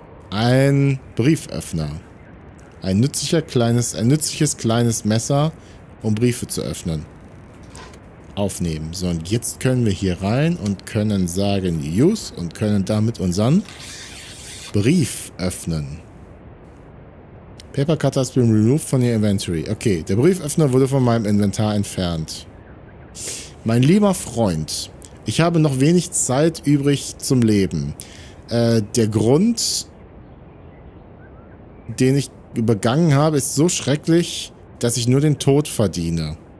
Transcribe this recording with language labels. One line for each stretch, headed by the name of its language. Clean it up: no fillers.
German: Ein Brieföffner. Ein nützliches kleines Messer, um Briefe zu öffnen. Aufnehmen. So, und jetzt können wir hier rein und können sagen Use und können damit unseren Brief öffnen.
English: Paper Cutter has been removed from your inventory.
German: Okay, der Brieföffner wurde von meinem Inventar entfernt. Mein lieber Freund, ich habe noch wenig Zeit übrig zum Leben. Der Grund, den ich begangen habe, ist so schrecklich, dass ich nur den Tod verdiene.